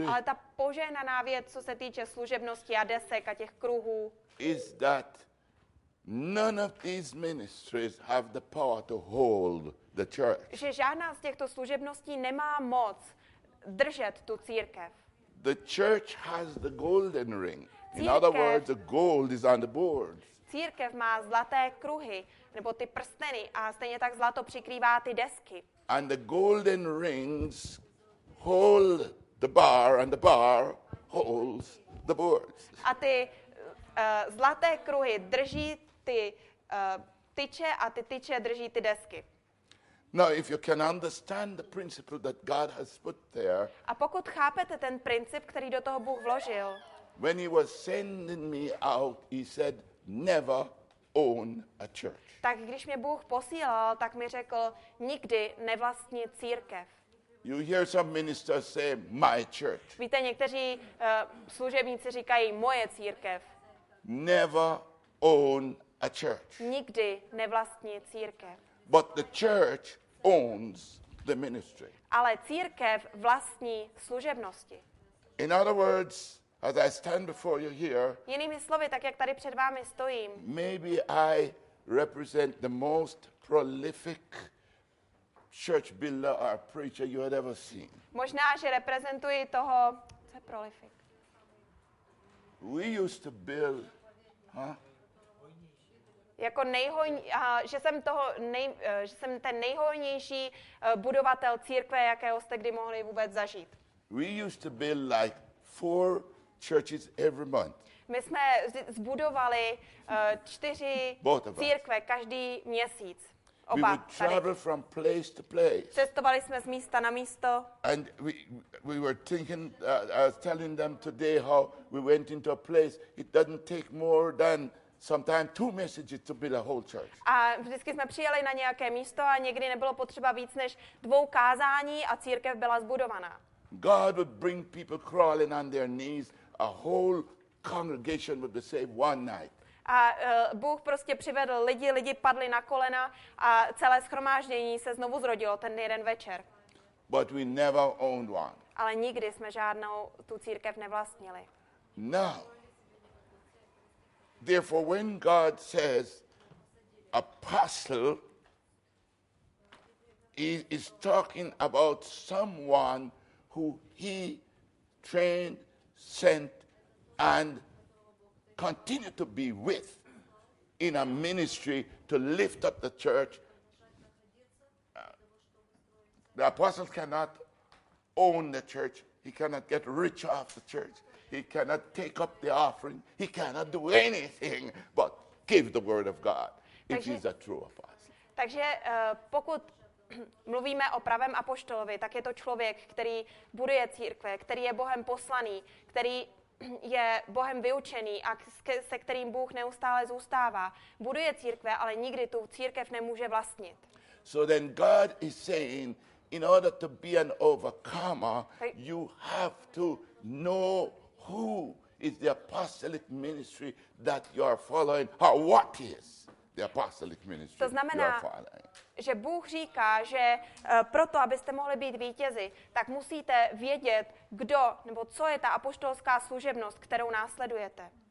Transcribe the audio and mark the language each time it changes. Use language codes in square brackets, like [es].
[cs] Ale ta požehnaná věc, co se týče služebnosti a desek a těch kruhů. [en] Is that none of these ministries have the power to hold the church. [cs] Že žádná z těchto služebností nemá moc držet tu církev. [en] The church has the golden ring. In other words, the gold is on the board. [cs] Církev má zlaté kruhy nebo ty prsteny a stejně tak zlato přikrývá ty desky. [en] And the golden rings hold the bar and the bar holds the boards. [cs] A ty zlaté kruhy drží ty tyče a ty tyče drží ty desky. [en] Now if you can understand the principle that God has put there. [cs] A pokud chápete ten princip, který do toho Bůh vložil. [en] When he was sending me out, he said never own a church. [cs] Tak když mě Bůh posílal, tak mi řekl nikdy nevlastní církev. [en] You hear some ministers say my church. [cs] Víte, někteří služebníci říkají moje církev. [en] Never own a church. [cs] Nikdy nevlastní církev. [en] But the church owns the ministry. [cs] Ale církev vlastní služebnosti. [en] In other words, as I stand before you here. [cs] Jinými slovy, tak jak tady před vámi stojím. [en] Maybe I represent the most prolific church builder or preacher you had ever seen. [cs] Možná že reprezentuji toho, co je prolific. [en] We used to build, huh? [cs] Jako že jsem ten nejhojnější budovatel církve, jakého jste kdy mohli vůbec zažít. [en] We used to build like 4 churches every month. [cs] My jsme zbudovali 4 církve každý měsíc. Oba. [en] We would travel from place to place. [cs] Cestovali jsme z místa na místo. [en] And we were thinking, I was telling them today how we went into a place. It doesn't take more than sometimes 2 messages to build a whole church. [cs] A vždycky jsme přijeli na nějaké místo a někdy nebylo potřeba víc než 2 kázání a církev byla zbudovaná. [en] God would bring people crawling on their knees. A whole congregation would be saved one night. [cs] A Bůh prostě přivedl lidi padli na kolena a celé shromáždění se znovu zrodilo ten jeden večer. [en] But we never owned one. [cs] Ale nikdy jsme žádnou tu církev nevlastnili. [en] Now, therefore, when God says apostle, he is talking about someone who he trained, sent and continue to be with in a ministry to lift up the church. The apostle cannot own the church. He cannot get rich off the church. He cannot take up the offering. He cannot do anything but give the word of God. [cs] Takže, [en] it is a true apostle. [cs] Takže pokud mluvíme o pravém apoštolovi, tak je to člověk, který buduje církve, který je Bohem poslaný, který je Bohem vyučený a se kterým Bůh neustále zůstává. Buduje církve, ale nikdy tu církev nemůže vlastnit. [en] So then God is saying, in order to be an overcomer, you have to know who is the apostolic ministry that you are following, or what is the apostolic ministry [cs] to znamená, [en] you are following. [cs] Že Bůh říká, že proto, abyste mohli být vítězi, tak musíte vědět, kdo nebo co je ta apoštolská služebnost, kterou následujete.